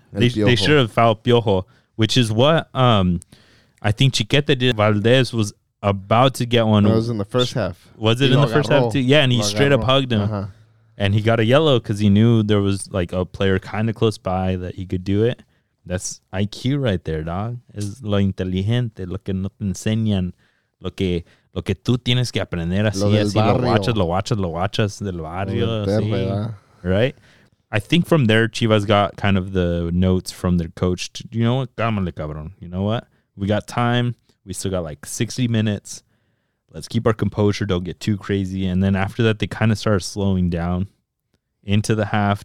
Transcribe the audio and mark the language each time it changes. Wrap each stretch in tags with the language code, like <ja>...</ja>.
<en>They should have fouled Piojo, which is what... I think Chiquete did. Valdez was about to get one. It was in the first half. Was it in the first half too? Yeah, and he straight up hugged him. Uh-huh. And he got a yellow because he knew there was like a player kind of close by that he could do it. That's IQ right there, dog.</en> <es>Es lo inteligente, lo que no te enseñan, lo que tú tienes que aprender. Así, lo watchas del barrio. Así, right?</es> <en>I think from there, Chivas got kind of the notes from their coach. You know what?</en> <es>Cálmale, cabrón.</es> <en>You know what? We got time. We still got like 60 minutes. Let's keep our composure. Don't get too crazy. And then after that, they kind of started slowing down into the half.</en>